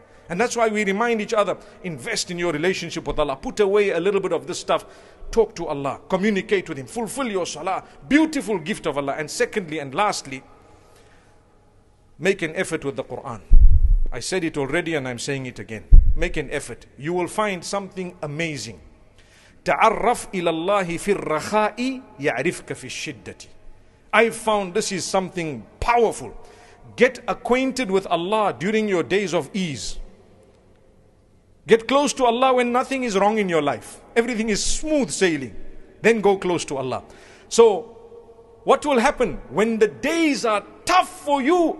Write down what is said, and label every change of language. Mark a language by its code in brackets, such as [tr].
[en] And that's why we remind each other, invest in your relationship with Allah. Put away a little bit of this stuff. Talk to Allah. Communicate with Him. Fulfill your salah. Beautiful gift of Allah. And secondly and lastly, make an effort with the Quran. I said it already and I'm saying it again. Make an effort. You will find something amazing. [ar] تعرف إلى الله في الرخاء يعرفك في الشدة. [en] I found this is something powerful. Get acquainted with Allah during your days of ease. Get close to Allah when nothing is wrong in your life. Everything is smooth sailing. Then go close to Allah. So what will happen when the days are tough for you?